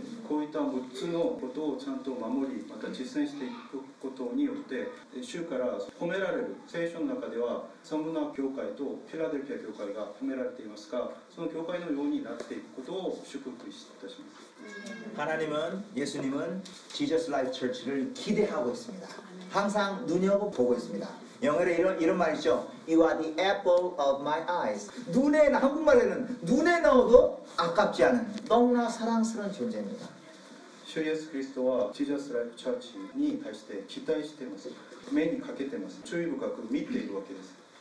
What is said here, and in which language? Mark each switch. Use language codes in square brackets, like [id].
[ja] こういった6つのことをちゃんと守りまた実践していくことによって主から褒められる聖書の中ではサムナ教会とフィラデルフィア教会が褒められていますがその教会のようになっていくことを祝福いたします [ko] 하나님은예수님은지저스라이프처치를기대하고있습니다항상눈여겨보고있습니다영어로이런말이죠 [en] You are the apple of my eyes [ko] 눈에한국말에는눈에넣어도아깝지않은너무나사랑스러운존재입니다 주예수그리스도와지저스라이프처치에대해기대하고있습니다매니가게되면서주의부가그밑에있는것같아요